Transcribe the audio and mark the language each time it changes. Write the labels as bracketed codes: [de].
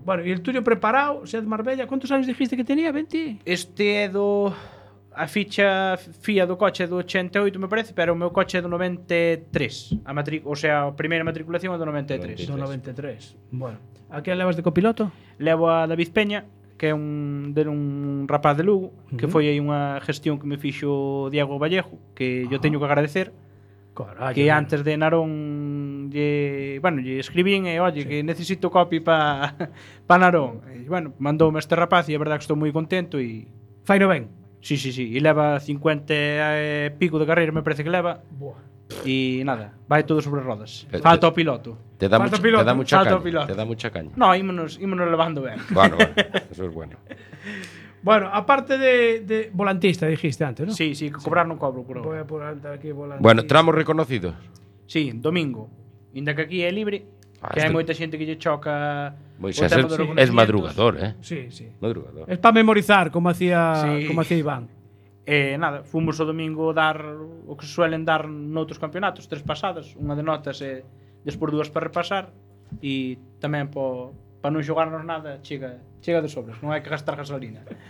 [es] Bueno, y el tuyo preparado, Seat Marbella, ¿cuántos años dijiste que tenía? 20. [gl] Este é do a ficha FIA do coche do 88, me parece, pero o meu coche é do 93. A primeira matriculación é do 93. Do 93. Bueno. ¿A quién levas de copiloto? Levo a David Peña, que é un rapaz de Lugo, que foi aí unha gestión que me fixo Diego Vallejo, que yo teño que agradecer. Corallo, que antes de Narón lle escribín e, oye, sí, que necesito copy pa Narón. E, bueno, mandoume este rapaz e a verdad que estou moi contento. Faino ben? Sí. E leva 50 e pico de carreira, me parece que leva. Buah. [es] Y nada, va todo sobre ruedas. [gl] Falta o piloto. [es] Te da mucha caña. [gl] No, ímonos levando bien. [es] Bueno, eso es bueno. Bueno, aparte de volantista, dijiste antes, ¿no? Sí, cobrar no cobro. Pero... Voy a poner aquí volantista. Bueno, tramos reconocidos. Sí, domingo. Inda que aquí es libre. [gl] Que hai moita xente que lle choca. Moisés é madrugador, eh? Sí, sí. Madrugador. [es] Es pa memorizar, como hacía Iván. [gl] Nada, fomos o domingo dar o que suelen dar noutros campeonatos, tres pasadas, unha de notas e despois dúas para repasar e tamén para non xogarnos nada, chega de sobras, non hai que gastar gasolina.